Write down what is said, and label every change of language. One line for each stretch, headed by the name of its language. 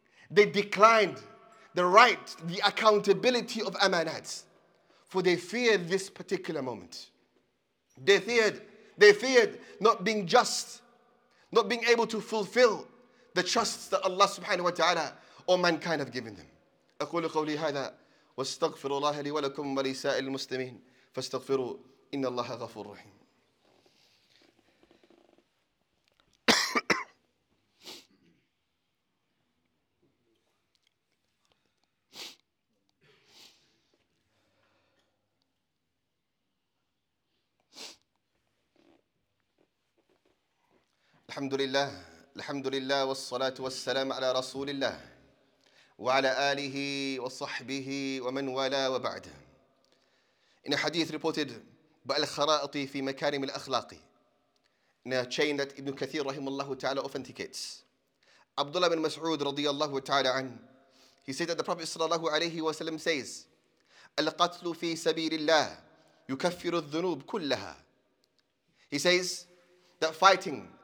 English: They declined the right, the accountability of amanat. For they feared this particular moment. They feared not being just, not being able to fulfill the trusts that Allah subhanahu wa ta'ala or mankind have given them.
Arabic: أقول قولي هذا واستغفر الله لي ولكم ولسائر المسلمين فاستغفروا إن الله غفور رحيم. الحمد لله. الحمد لله والصلاة والسلام على رسول الله وعلى آله وصحبه ومن والاه وبعد.
English: In a hadith reported by Al-Kharati
Arabic: في مكارم الأخلاق,
English: in a chain that Ibn Kathir
Arabic: رحمه الله
English: authenticates, Abdullah bin Mas'ud
Arabic: رضي الله تعالى عنه,
English: he said that the Prophet
Arabic: صلى الله عليه وسلم
English: says,
Arabic: القتل في سبيل الله يكفر الذنوب كلها.
English: He says that fighting